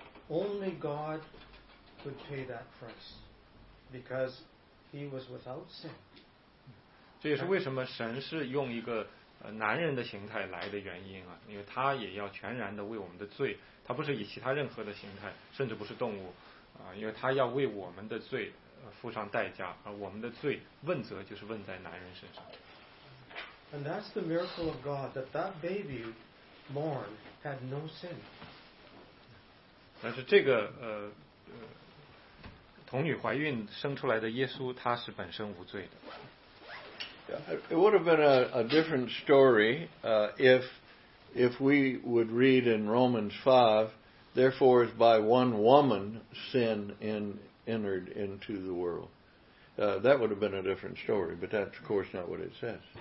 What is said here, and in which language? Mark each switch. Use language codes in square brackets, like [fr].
[en] Only God could pay that price because he was without sin. [zh] 这也是为什么神是用一个男人的形态来的原因啊，因为他也要全然的为我们的罪，他不是以其他任何的形态，甚至不是动物啊，因为他要为我们的罪付上代价，而我们的罪问责就是问在男人身上。 [en] And that's the miracle of God, that that baby born had no sin. [zh] 但是这个童女怀孕生出来的耶稣，他是本身无罪的。 [en] It would have been a different story if we would read in Romans 5, therefore is by one woman sin entered into the world. That would have been a different story, but that's of course not what it says.